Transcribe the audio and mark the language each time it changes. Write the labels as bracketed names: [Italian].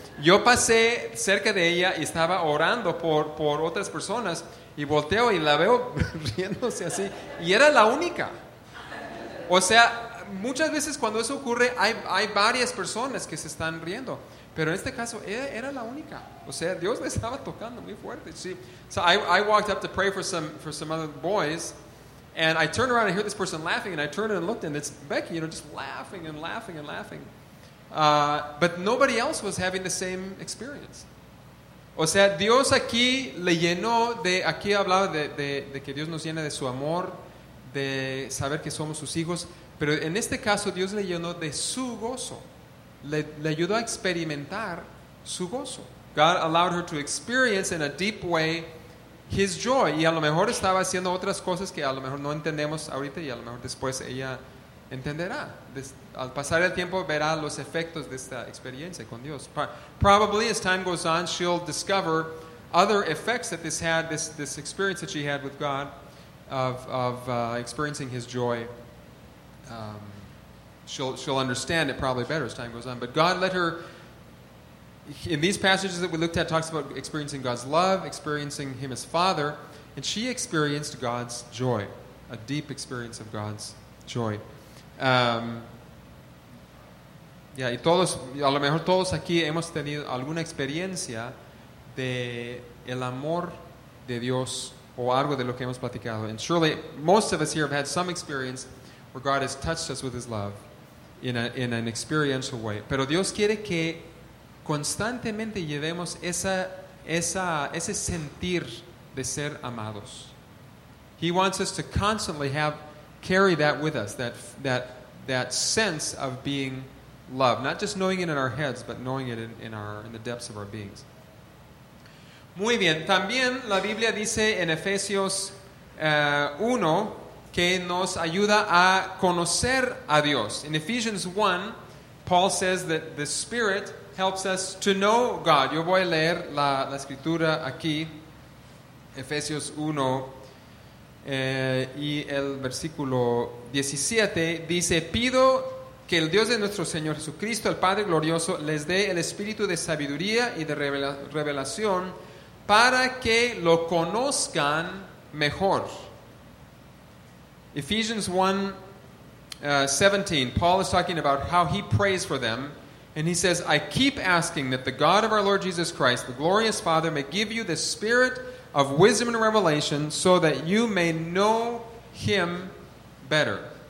[Spanish] Yo pasé cerca de ella y estaba orando por otras personas y volteo y la veo riéndose así. Y era la única. O sea, muchas veces cuando eso ocurre hay varias personas que se están riendo, pero en este caso era la única. O sea, Dios le estaba tocando muy fuerte. [English] See, so I walked up to pray for some other boys, and I turned around and I hear this person laughing, and I turned and looked, and it's Becky, you know, just laughing and laughing and laughing. But nobody else was having the same experience. [Spanish] O sea, Dios aquí le llenó de, aquí hablaba de que Dios nos llena de su amor, de saber que somos sus hijos. Pero en este caso Dios le llenó de su gozo. Le ayudó a experimentar su gozo. [English] God allowed her to experience in a deep way his joy. [Spanish] Y a lo mejor estaba haciendo otras cosas que a lo mejor no entendemos ahorita y a lo mejor después ella entenderá. Al pasar el tiempo verá los efectos de esta experiencia con Dios. [English] Probably as time goes on she'll discover other effects that this had, this experience that she had with God of experiencing his joy. She'll understand it probably better as time goes on. But God let her, in these passages that we looked at, talks about experiencing God's love, experiencing him as Father, and she experienced God's joy, a deep experience of God's joy. [Spanish] Y todos, a lo mejor todos aquí hemos tenido alguna experiencia de el amor de Dios o algo de lo que hemos platicado. [English] And surely most of us here have had some experience where God has touched us with his love in an experiential way. [Spanish] Pero Dios quiere que constantemente llevemos ese sentir de ser amados. [English] He wants us to constantly carry that with us, that sense of being loved, not just knowing it in our heads, but knowing it in the depths of our beings. [Spanish] Muy bien, también la Biblia dice en Efesios 1 que nos ayuda a conocer a Dios. [English] In Ephesians 1, Paul says that the Spirit helps us to know God. [Spanish] Yo voy a leer la escritura aquí, Efesios 1, y el versículo 17 dice: Pido que el Dios de nuestro Señor Jesucristo, el Padre glorioso, les dé el espíritu de sabiduría y de revelación para que lo conozcan mejor. [English] Ephesians 1:17, Paul is talking about how he prays for them, and he says, I keep asking that the God of our Lord Jesus Christ, the glorious Father, may give you the spirit of wisdom and revelation so that you may know him better.